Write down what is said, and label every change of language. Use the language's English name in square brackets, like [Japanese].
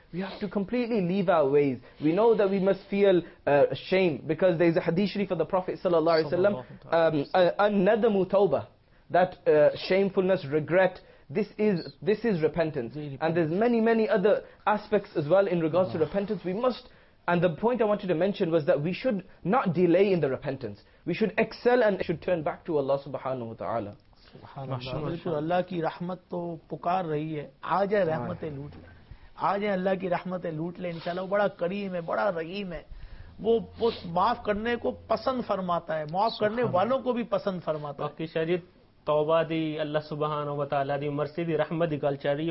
[English] We have to completely leave our ways. We know that we must feel shame, because there is a hadith for the Prophet sallallahu alaihi wasallam, [Arabic] an-nadamu tawbah, [English] that shamefulness, regret. This is repentance. And there's many, many other aspects as well in regards to repentance. We must. And the point I wanted to mention was that we should not delay in the repentance. We should excel and should turn back to Allah subhanahu wa ta'ala. [Urdu] اللہ کی رحمت تو پکار رہی ہے, آ جائے رحمتیں لوٹ لیں, آ جائے اللہ کی رحمتیں لوٹ لیں. انشاءاللہ وہ بڑا کریم ہے, بڑا رحیم ہے, وہ معاف کرنے کو پسند فرماتا ہے, معاف کرنے والوں کو بھی پسند فرماتا ہے. [Punjabi] باقی شاہ جی, توبہ دی اللہ سبحانہ و تعالی دی مرسی دی رحمت دی گل چل رہی ہے.